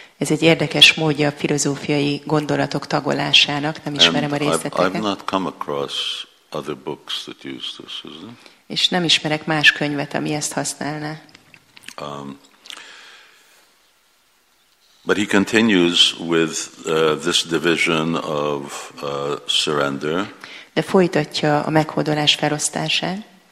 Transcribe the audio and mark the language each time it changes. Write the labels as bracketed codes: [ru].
[hu] Ez egy érdekes módja a filozófiai gondolatok tagolásának, nem ismerem [en] And [hu] a részleteket. [en] I've not come across other books that use this, is it? [hu] És nem ismerek más könyvet, ami ezt használná. [en] But he continues with this division of surrender. [hu] De folytatja a meghódolás felosztását.